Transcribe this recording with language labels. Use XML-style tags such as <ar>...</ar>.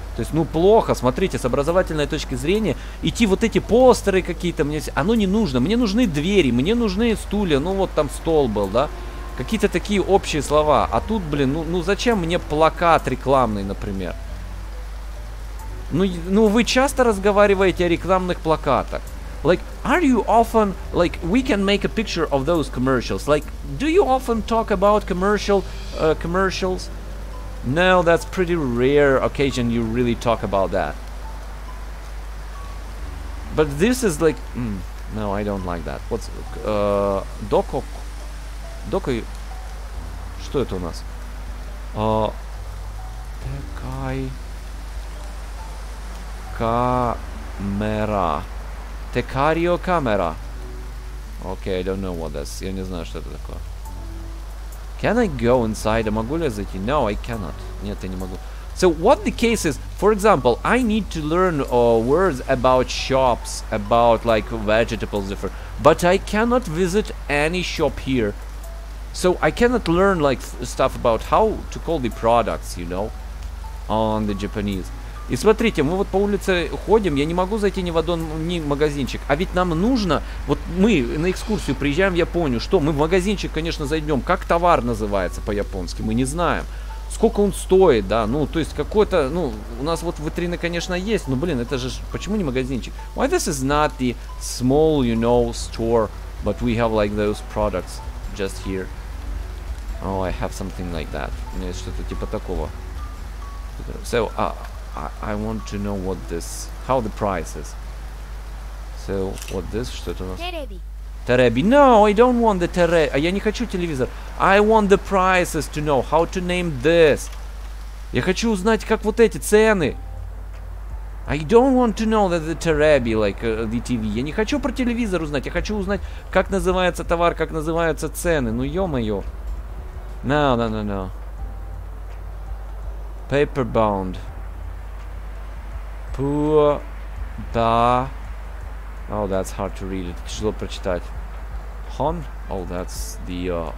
<ru>То есть, ну, плохо, смотрите, с образовательной точки зрения, идти вот эти постеры какие-то, мне оно не нужно, мне нужны двери, мне нужны стулья, ну, вот там стол был, да, какие-то такие общие слова, а тут, блин, ну зачем мне плакат рекламный, например? Ну, вы часто разговариваете о рекламных плакатах?</ru> <en>Like, are you often, like, we can make a picture of those commercials. Like, do you often talk about commercials? No, that's pretty rare occasion you really talk about that. But this is like, no, I don't like that.</en> <ru>What's, доко, что это у нас? Такай, камера.</ru> <en>Текарио камера. Okay, I don't know what that's.</en> <ru>Я не знаю, что это такое.</ru> <en>Can I go inside?</en> <ru>Могу ли я зайти?</ru> <en>No, I cannot.</en> <ru>Нет, я не могу.</ru> <en>So, what the case is, for example, I need to learn words about shops, about, like, vegetables, different. But I cannot visit any shop here. So, I cannot learn, like, stuff about how to call the products, you know, on the Japanese.</en> <ru>И смотрите, мы вот по улице ходим, я не могу зайти ни в один ни магазинчик. А ведь нам нужно, вот мы на экскурсию приезжаем в Японию, что мы в магазинчик, конечно, зайдем. Как товар называется по-японски, мы не знаем. Сколько он стоит, да, ну, то есть какой-то, ну, у нас вот витрины, конечно, есть, но, блин, это же, почему не магазинчик?</ru> <en>Why this is not the small, you know, store, but we have, like, those products just here? Oh, I have something like that.</en> <ru>У меня есть что-то типа такого.</ru> <en>So, I want to know what this, how the price is. So, what this,</en> <ru>что это у нас?</ru> <en>Тереби. No, I don't want the тереби.</en> <ru>Я не хочу телевизор.</ru> <en>I want the prices to know how to name this.</en> <ru>Я хочу узнать, как вот эти цены.</ru> <en>I don't want to know that the тереби, like the TV.</en> <ru>Я не хочу про телевизор узнать. Я хочу узнать, как называется товар, как называются цены. Ну, ё-моё. No. Paper bound. Poor, da.</ru> <en>Oh, that's hard to read.</en> <ru>Тяжело прочитать.</ru> <en>Hon. Oh, that's the</en>